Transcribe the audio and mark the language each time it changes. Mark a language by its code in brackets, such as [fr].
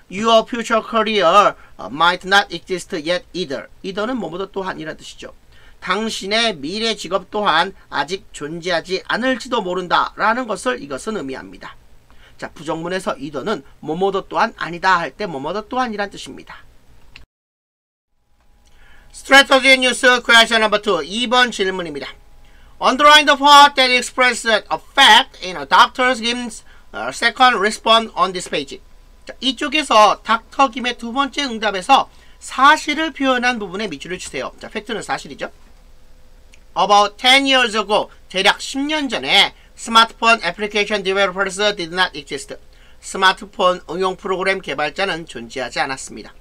[en] Your future career might not exist yet either. [ko] Either는 뭐뭐도 또한이라는 뜻이죠. 당신의 미래 직업 또한 아직 존재하지 않을지도 모른다 라는 것을 이것은 의미합니다. 자 부정문에서 either는 뭐뭐도 또한 아니다 할 때 뭐뭐도 또한이라는 뜻입니다. [en] Strategy News Question No. 2 [ko] 2번 질문입니다. [en] Underline the part that expresses a fact in a doctor's gimmicks second response on this page. [ko] 자, 이쪽에서 닥터 김의 두 번째 응답에서 사실을 표현한 부분에 밑줄을 주세요. 자, 팩트는 사실이죠. [en] About 10 years ago, [ko] 대략 10년 전에 [en] smartphone application developers did not exist. [ko] 스마트폰 응용 프로그램 개발자는 존재하지 않았습니다.